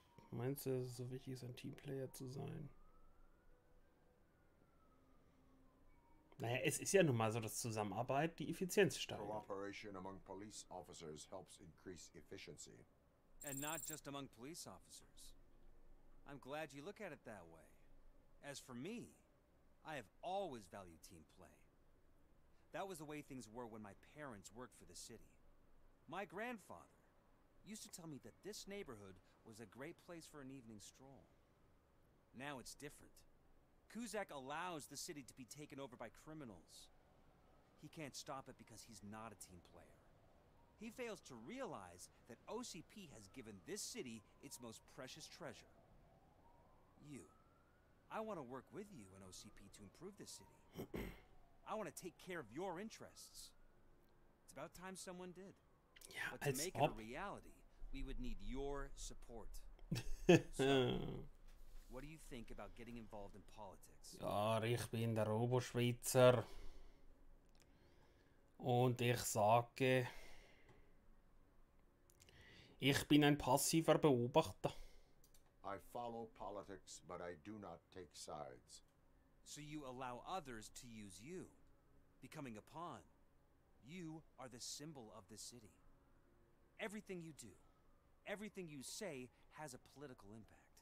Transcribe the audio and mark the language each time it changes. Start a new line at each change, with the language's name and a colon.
German: Meinst du, dass es so wichtig ist, ein Teamplayer zu sein? Naja, es ist ja nun mal so, dass Zusammenarbeit die Effizienz steigert.
English: Cooperation among police officers helps increase efficiency. And not just among police officers. I'm glad you look at it that way. As for me, I have always valued team play. That was the way things were when my parents worked for the city. My grandfather used to tell me that this neighborhood was a great place for an evening stroll. Now it's different. Kuzak allows the city to be taken over by criminals. He can't stop it because he's not a team player. He fails to realize that OCP has given this city its most precious treasure. You. I want to work with you and OCP to improve this city. I want to take care of your interests. It's about time someone did. Yeah, but to make it a reality, we would need your support. So, what do you think about getting involved in politics?
German: Ja, ich bin der Oberschweizer. Und ich sage... Ich bin ein passiver Beobachter.
English: I follow politics, but I do not take sides. So you allow others to use you, becoming a pawn. You are the symbol of the city. Everything you do, everything you say has a political impact.